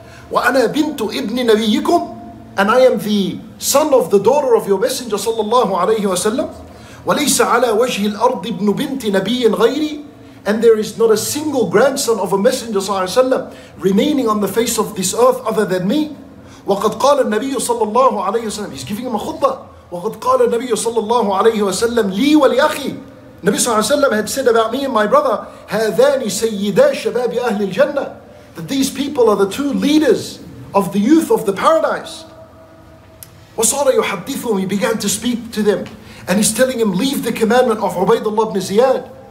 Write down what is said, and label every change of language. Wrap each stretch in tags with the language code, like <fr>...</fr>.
<ar>وَأَنَا بِنْتُ إِبْنِ نَبِيِّكُمْ</ar> <en>And I am the son of the daughter of your messenger صلى الله عليه وسلم.</en> <ar>وَلَيْسَ عَلَى وَجْهِ الْأَرْضِ ابْنُ بِنْتِ نَبِيٍّ غَيْرِي</ar> <en>And there is not a single grandson of a messenger صلى الله عليه وسلم remaining on the face of this earth other than me.</en> <ar>وَقَدْ قَالَ النَّبِيُّ صلى الله عليه وسلم</ar> <en>He's giving him a khutbah.</en> <ar>وَقَدْ قَالَ النَّبِيُّ صَلَّى اللَّهُ عَلَيْهِ وَسَلَّمَ لِي وَلِأَخِي</ar> <en>Nabi صلى الله عليه وسلم had said about me and my brother</en> <ar>هَذَانِ سَيِّدَا شَبَابِ أَهْلِ الْجَنَّةِ</ar> <en>That these people are the two leaders of the youth of the paradise.</en> <ar>وَصَارَ يُحَدِّثُهُمْ</ar> <en>He began to speak to them. And he's telling him, leave the commandment of Ubaydullah ibn Ziyad.</en>